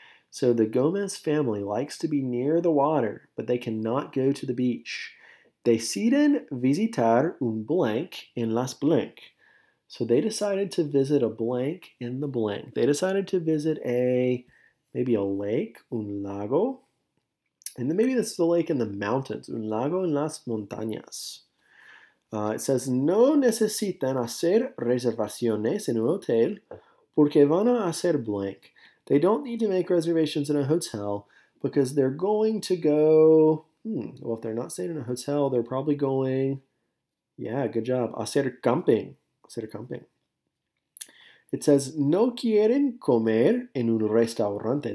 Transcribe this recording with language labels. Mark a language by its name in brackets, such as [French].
[English] So the Gómez family likes to be near the water, but they cannot go to the beach. [Spanish] Deciden visitar un blank en las blank. [English] So they decided to visit a blank in the blank. They decided to visit maybe a lake, [Spanish] un lago. [English] And then maybe this is a lake in the mountains, [Spanish] un lago en las montañas. It says, no necesitan hacer reservaciones en un hotel porque van a hacer blank. [English] They don't need to make reservations in a hotel because they're going to go, well, if they're not staying in a hotel, they're probably going, yeah, good job, [Spanish] hacer camping. It says, no quieren comer en un restaurante.